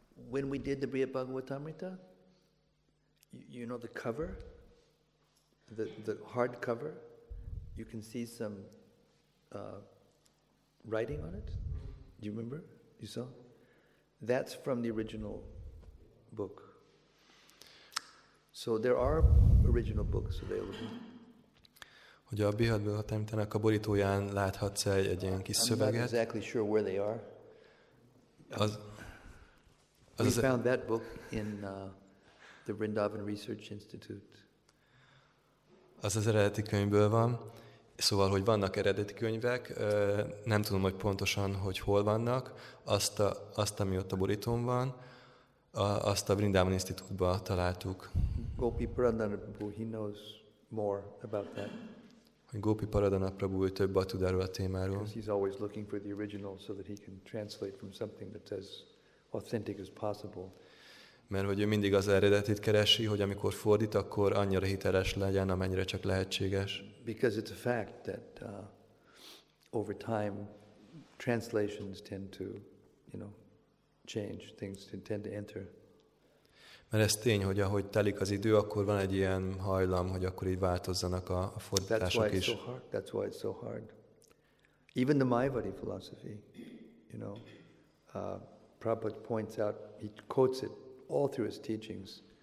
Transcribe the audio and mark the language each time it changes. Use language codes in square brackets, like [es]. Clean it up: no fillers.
[en] When we did the Briya Bhagavatamrita, you know the cover, the hard cover, you can see some writing on it. Do you remember? You saw? That's from the original book. So there are original books available. [hu] Hogy a Briya Bhagavatamritának a borítóján láthatsz egy ilyen kis szöveget. [en] I'm not exactly sure where they are. We found that book in the Vrindavan Research Institute. [hu] Az az eredeti könyvből van. Szóval, hogy vannak eredeti könyvek, nem tudom, hogy pontosan, hogy hol vannak. Azt, ami ott a borítón van, azt a Vrindavan Institute-ba találtuk. [en] Gopi Paradana Prabhu, he knows more about that. [hu] Gopi Paradana Prabhu, ő többet tud erről a témáról. [en] Because he's always looking for the original so that he can translate from something that says authentic as possible. [hu] Mert hogy ő mindig az eredetit keresi, hogy amikor fordít, akkor annyira hiteles legyen, amennyire csak lehetséges. [en] Because it's a fact that over time translations tend to, you know, change, things tend to enter. [hu] Mert ez tény, hogy ahogy telik az idő, akkor van egy ilyen hajlam, hogy akkor így változzanak a fordítások. [en] That's why is. So hard. That's why it's so hard. Even the Mayavadi philosophy, you know, Prabhupada points out, he quotes it all through his teachings.